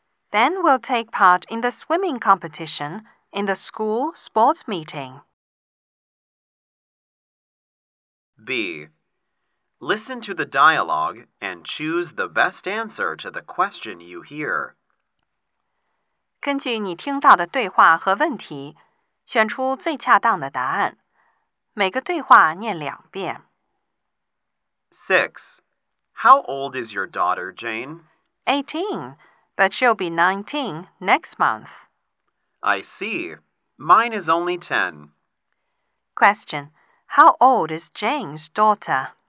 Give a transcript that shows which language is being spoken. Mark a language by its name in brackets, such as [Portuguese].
[English] Ben will take part in the swimming competition in the school sports meeting. B. Listen to the dialogue and choose the best answer to the question you hear. [Chinese] 根据你听到的对话和问题，选出最恰当的答案。每个对话念两遍。 6. [English] How old is your daughter, Jane? 18. But she'll be 19 next month. I see. Mine is only 10. Question. How old is Jane's daughter?